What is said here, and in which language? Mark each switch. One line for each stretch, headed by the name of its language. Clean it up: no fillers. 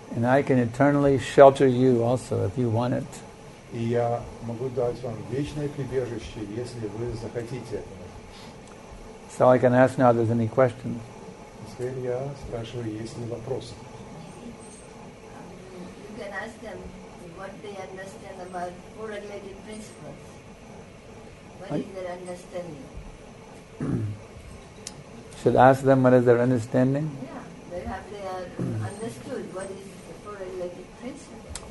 English: And I can eternally shelter you also if you want it.
Russian: И я могу дать вам вечное прибежище, если вы захотите.
English: So I can ask now if there's any questions.
Russian: Теперь я спрашиваю, есть ли вопросы.
English: You can ask them what they understand about four related principles. What is their understanding? Should ask them what is their understanding? Yeah, they have understood what is the four related principles.